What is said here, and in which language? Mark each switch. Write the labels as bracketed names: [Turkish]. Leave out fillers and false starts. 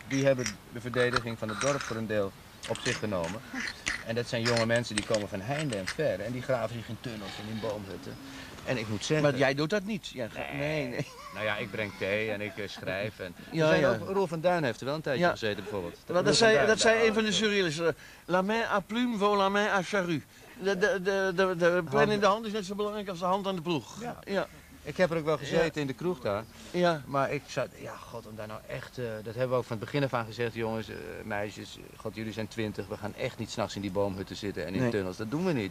[Dutch] Die hebben de verdediging van het dorp voor een deel op zich genomen. En dat zijn jonge mensen die komen van heinde en ver. En die graven zich in tunnels en in boomhutten. En ik moet zeggen... Maar jij doet dat niet. Ja, nee. Nou ja, ik breng thee en ik schrijf. En... Ja, ja. Ook, Roel van Duin heeft er wel een tijdje gezeten, bijvoorbeeld. Dat, zei een van de surrealisten. [French] La main à plume vaut la main à charrue. [Dutch] De plan in de hand is net zo belangrijk als de hand aan de ploeg. Ja. Ja. Ik heb er ook wel gezeten in de kroeg daar. Ja. Maar ik zou... Ja, god, om daar nou echt... dat hebben we ook van het begin af aan gezegd, jongens, meisjes. God, jullie zijn 20. We gaan echt niet s'nachts in die boomhutten zitten en in tunnels. Dat doen we niet.